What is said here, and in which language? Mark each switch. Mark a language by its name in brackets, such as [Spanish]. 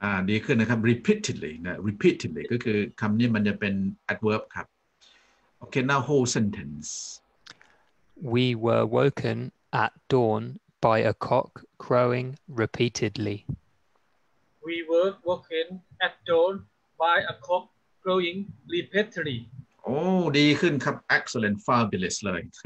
[Thai] ดีขึ้นนะครับ repeatedly ก็คือคำนี้มันจะเป็น adverb ครับ [English] okay now whole sentence we were woken at dawn by a cock crowing repeatedly We were woken at dawn by a cock crowing repeatedly. Oh, [Thai] ดีขึ้นครับ. [English] Excellent, fabulous เลย.